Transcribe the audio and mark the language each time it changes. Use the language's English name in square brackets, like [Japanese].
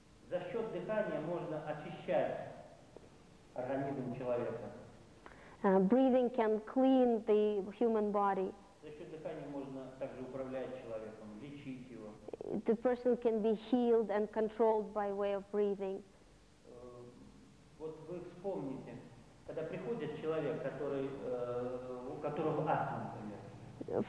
[Russian] За счет дыхания можно очищать. [English] Breathing can clean the human body. [Russian] За счет дыхания можно также управлять человеком, лечить его. [English] The person can be healed and controlled by way of breathing. [Russian] Вот вы вспомните, когда приходит человек, который, у которого астма, например.